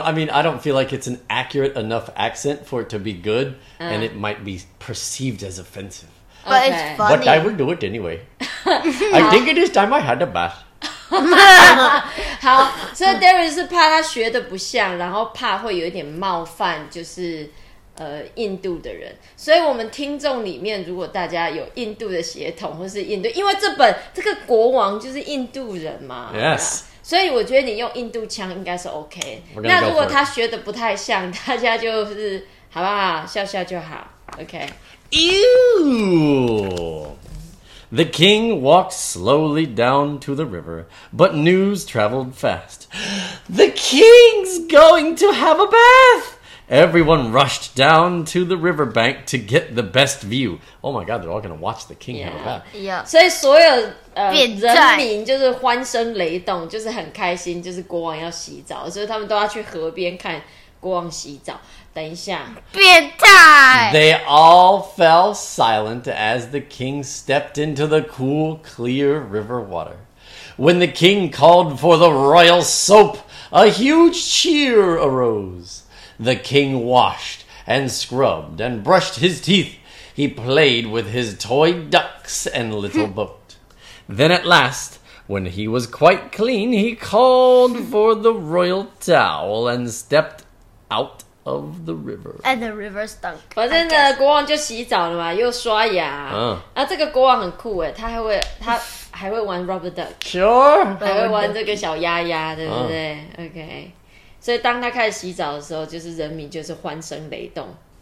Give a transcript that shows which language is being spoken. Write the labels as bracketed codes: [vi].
[en] I mean, I don't feel like it's an accurate enough accent for it to be good, and it might be perceived as offensive. But it's funny. But I would do it anyway. I think it is time I had a bath. [zh] 好，所以 Derry 是怕他学的不像，然后怕会有一点冒犯，就是印度的人。所以我们听众里面，如果大家有印度的血统或是印度，因为这个国王就是印度人嘛。 [en] Yes. [zh] 所以我觉得你用印度腔应该是 OK。那如果他学的不太像，大家就是好不好？笑笑就好。OK。 [en] Ew! The king walked slowly down to the river, but news traveled fast. The king's going to have a bath! Everyone rushed down to the riverbank to get the best view. Oh my god, they're all going to watch the king have a bath. Yeah. [zh] 所以所有人民就是欢声雷动，就是很开心，就是国王要洗澡，所以他们都要去河边看国王洗澡。等一下，变态！ [en] They all fell silent as the king stepped into the cool, clear river water. When the king called for the royal soap, a huge cheer arose. The king washed and scrubbed and brushed his teeth. He played with his toy ducks and little boats. Then at last, when he was quite clean, he called for the royal towel and stepped out of the river. And the river stunk. [zh] 反正呢，国王就洗澡了嘛，又刷牙。啊，这个国王很酷耶，他还会玩 [en] rubber duck。 Sure。 [zh] 还会玩这个小鸭鸭，对不对？OK。所以当他开始洗澡的时候，就是人民就是欢声雷动。